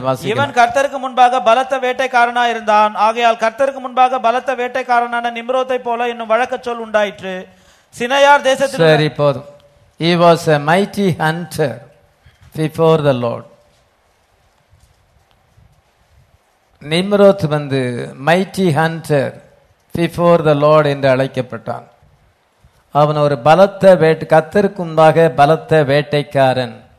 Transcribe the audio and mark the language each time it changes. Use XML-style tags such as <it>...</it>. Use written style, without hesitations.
<ta>இவன் கர்த்தருக்கு முன்பாக பலத்த வேட்டைக்காரனா இருந்தான். ஆகையால் கர்த்தருக்கு முன்பாக பலத்த வேட்டைக்காரனான நிம்ரோதை போல இன்னும் வழக்க சொல் உண்டாயிற்று. சினையார் தேசத்தில் சரி போதும்.</ta> <en>He was a mighty hunter before the Lord.</en> <ta>Nimrod வந்து</ta> <en>mighty hunter before the Lord</en> <ta>என்று அழைக்கப்பட்டான். அவன் ஒரு பலத்த வேட்டை கர்த்தருக்கு முன்பாக பலத்த வேட்டைக்காரன்.</ta>